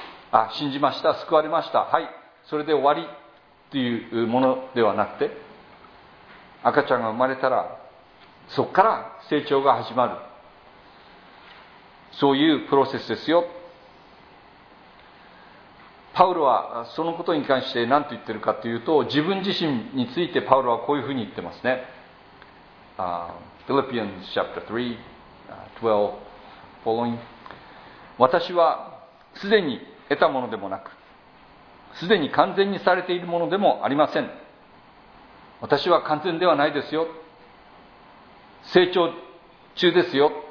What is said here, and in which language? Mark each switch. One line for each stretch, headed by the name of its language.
Japanese: あ、信じました、救われました、はい、それで終わりというものではなくて、赤ちゃんが生まれたらそこから成長が始まる、そういうプロセスですよ。パウロはそのことに関して何と言ってるかというと、自分自身についてパウロはこういうふうに言ってますね。
English: Philippians chapter 3, 12, following.
Japanese: 私はすでに得たものでもなく、すでに完全にされているものでもありません。私は完全ではないですよ。成長中ですよ。